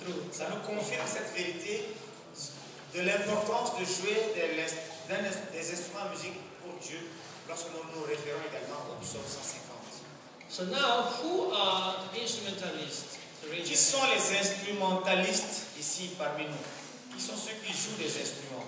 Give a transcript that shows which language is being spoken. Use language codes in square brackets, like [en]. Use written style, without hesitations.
[fr] ça nous confirme cette vérité de l'importance de jouer des instruments à musique pour Dieu lorsque nous nous référons également au psaume 150. [en] So now, who are the instrumentalists? [fr] Qui sont les instrumentalistes ici parmi nous? Qui sont ceux qui jouent des instruments?